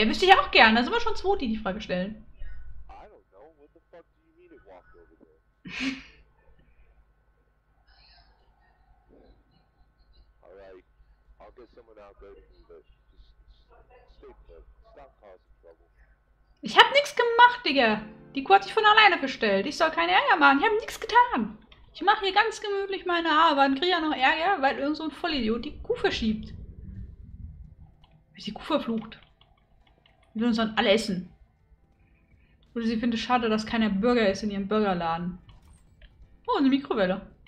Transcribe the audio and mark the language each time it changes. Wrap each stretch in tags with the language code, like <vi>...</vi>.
<de>Ja, wüsste ich auch gerne. Da sind wir schon zwei, die Frage stellen.</de> <en>I don't know. What the fuck do you mean it walked over there? Alright. I'll get someone out there to do this.</en> <de>Ich hab nichts gemacht, Digga. Die Kuh hat sich von alleine gestellt. Ich soll keine Ärger machen. Ich hab nichts getan. Ich mache hier ganz gemütlich meine Arbeit und kriege ja noch Ärger, weil irgend so ein Vollidiot die Kuh verschiebt. Wie die Kuh verflucht. Die will uns dann alle essen. Oder sie findet es schade, dass keiner Burger ist in ihrem Burgerladen. Oh, eine Mikrowelle.</de>